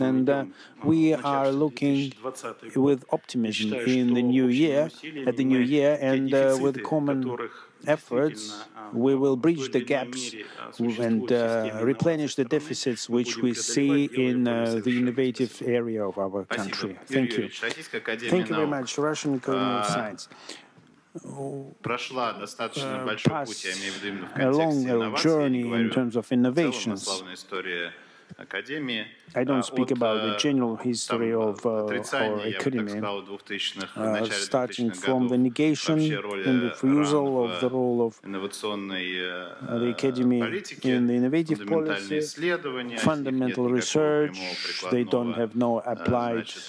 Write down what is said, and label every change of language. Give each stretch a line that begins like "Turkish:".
English: And we are looking with optimism in the new year, at the new year, and with common efforts, we will bridge the gaps and replenish the deficits which we see in the innovative area of our country. Thank you. Thank you very much, Russian Academy of Science.
Russian: Прошла достаточно большой путь, я имею в виду именно в контексте инноваций,
English: in terms of innovations.
Russian: В целом, история Академии.
English: I don't speak about the general history of our academy, starting from the negation and refusal of the role of the academy in the innovative policy, fundamental research, they don't have no applied